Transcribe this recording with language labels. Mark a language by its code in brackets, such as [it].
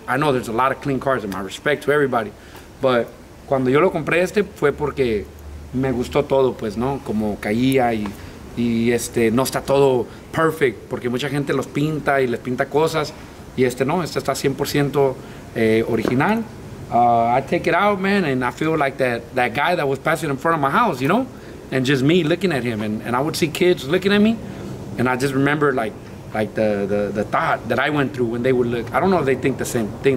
[en] I know there's a lot of clean cars, and my respect to everybody. [es] But cuando yo lo compré este fue porque me gustó todo, pues, ¿no? Como caía y no está todo perfect, porque mucha gente los pinta y les pinta cosas. Y este no, este está 100% original. [en] I take it out, man, and I feel like that guy that was passing in front of my house, you know? And just me looking at him. And I would see kids looking at me. And I just remember, like the thought that I went through when they would look. I don't know if they think the same thing.